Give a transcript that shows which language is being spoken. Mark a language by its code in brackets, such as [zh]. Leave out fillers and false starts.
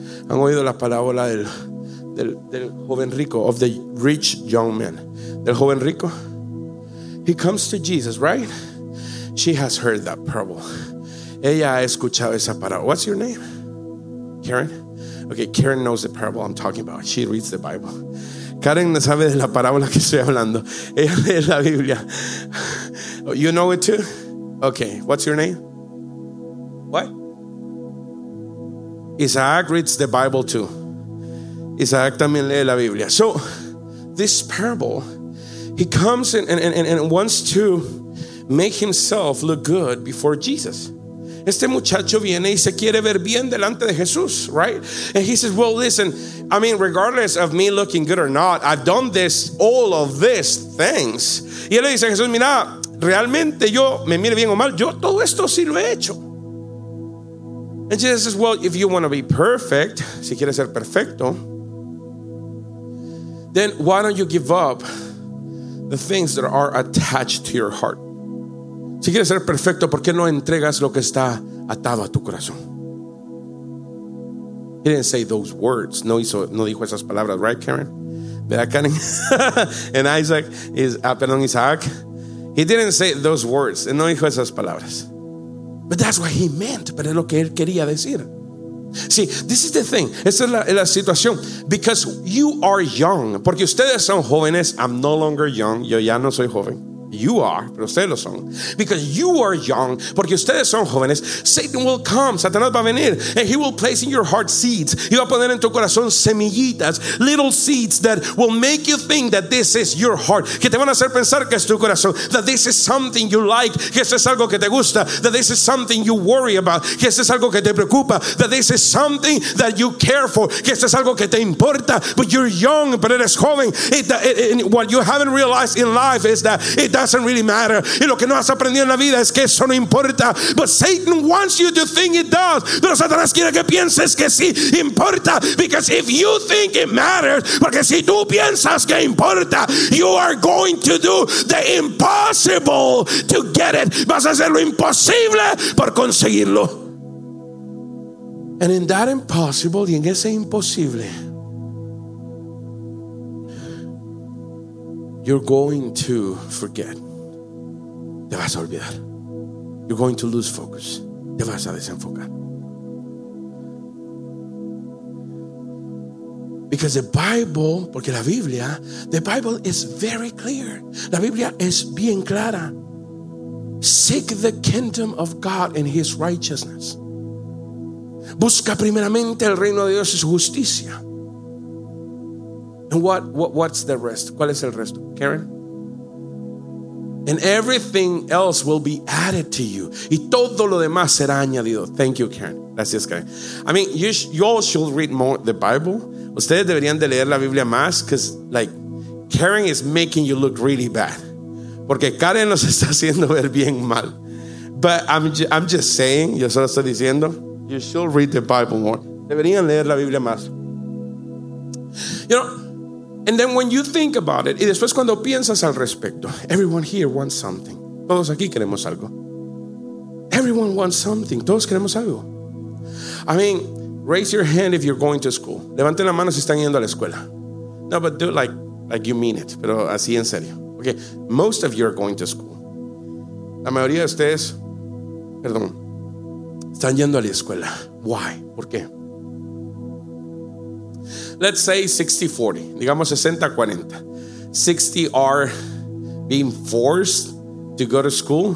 [es] ¿Han oído la parábola del joven rico, [en] of the rich young man? [es] Del joven rico. [en] He comes to Jesus, right? She has heard that parable. [es] Ella ha escuchado esa parábola. [en] What's your name? [es] Karen? [en] Okay, Karen knows the parable I'm talking about. She reads the Bible. [es] Karen no sabe de la parábola que estoy hablando. Ella lee la Biblia. [en] You know it too? Okay, what's your name? What? Isaac reads the Bible too. [es] Isaac también lee la Biblia. [en] So, this parable, he comes and wants to make himself look good before Jesus. [es] Este muchacho viene y se quiere ver bien delante de Jesús, right? [en] And he says, well, listen, I mean, regardless of me looking good or not, I've done this, all of these things. [es] Y él le dice a Jesús, mira, realmente yo me mire bien o mal, yo todo esto sí lo he hecho. [en] And Jesus says, well, if you want to be perfect, [es] si quieres ser perfecto, [en] then why don't you give up the things that are attached to your heart? [es] Si quieres ser perfecto, ¿por qué no entregas lo que está atado a tu corazón? [en] He didn't say those words. [es] No dijo esas palabras, [en] right, Karen? [es] ¿Verdad, Karen? [en] And Isaac is, [es] perdón, Isaac. [en] He didn't say those words. [es] No dijo esas palabras. [en] But that's what he meant. [es] Pero es lo que él quería decir. [en] See, this is the thing. [es] Esta es la situación. [en] Because you are young. [es] Porque ustedes son jóvenes. [en] I'm no longer young. [es] Yo ya no soy joven. [en] You are, [es] pero ustedes lo son. [en] Because you are young, [es] porque ustedes son jóvenes, [en] Satan will come, [es] Satanás va a venir, [en] and he will place in your heart seeds. [es] Y va a poner en tu corazón semillitas, [en] little seeds that will make you think that this is your heart. [es] Que te van a hacer pensar que es tu corazón. [en] That this is something you like, [es] que esto es algo que te gusta. [en] That this is something you worry about, [es] que esto es algo que te preocupa. [en] That this is something that you care for, [es] que esto es algo que te importa. [en] But you're young, [es] pero eres joven. [en] And what you haven't realized in life is that it doesn't really matter. [es] Y lo que no has aprendido en la vida es que eso no importa. [en] But Satan wants you to think it does. [es] Pero Satanás quiere que pienses que sí importa. [en] Because if you think it matters, [es] porque si tú piensas que importa, [en] you are going to do the impossible to get it. [es] Vas a hacer lo imposible por conseguirlo. [en] And in that impossible, [es] y en ese imposible, [en] you're going to forget. [es] Te vas a olvidar. [en] You're going to lose focus. [es] te vas a desenfocar. [en] Because the Bible, [es] porque la Biblia, [en] the Bible is very clear. [es] La Biblia es bien clara. [en] Seek the kingdom of God and his righteousness. [es] Busca primeramente el reino de Dios y su justicia. [en] And what's the rest? [es] ¿Cuál es el resto? [en] Karen? And everything else will be added to you. [es] Y todo lo demás será añadido. [en] Thank you, Karen. [es] Gracias, Karen. [en] I mean, you all should read more the Bible. [es] Ustedes deberían de leer la Biblia más, [en] because like Karen is making you look really bad. [es] Porque Karen nos está haciendo ver bien mal. [en] But I'm just saying, [es] yo solo estoy diciendo, [en] you should read the Bible more. [es] Deberían leer la Biblia más. [en] You know, and then when you think about it, [es] y después cuando piensas al respecto, [en] everyone here wants something. [es] Todos aquí queremos algo. [en] Everyone wants something. [es] Todos queremos algo. [en] I mean, raise your hand if you're going to school. [es] Levanten la mano si están yendo a la escuela. [en] No, but do it like you mean it. [es] Pero así en serio. [en] Okay, most of you are going to school. [es] La mayoría de ustedes, perdón, están yendo a la escuela. [en] Why? [es] ¿Por qué? [en] Let's say 60-40. [es] Digamos 60-40. [en] 60 are being forced to go to school.